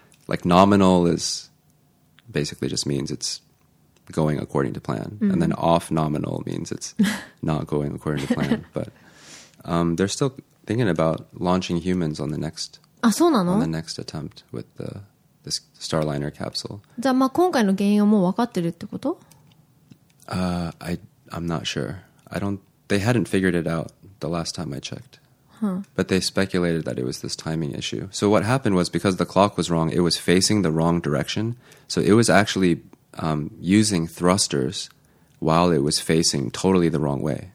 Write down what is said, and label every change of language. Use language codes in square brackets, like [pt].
[en] Like nominal is basically just means it's going according to plan.、Mm. And then off nominal means it's not going according to plan. But they're still thinking about launching humans on the next [ja] あ、そうなの? [en] On the next attempt with the Starliner capsule. [ja] じゃあ、まあ今回の原因はもう分かってるってこと? [en] I'm not sure. They hadn't figured it out the last time I checked. But they speculated that it was this timing issue. So what happened was because the clock was wrong, it was facing the wrong direction. So it was actually using thrusters while it was facing totally the wrong way.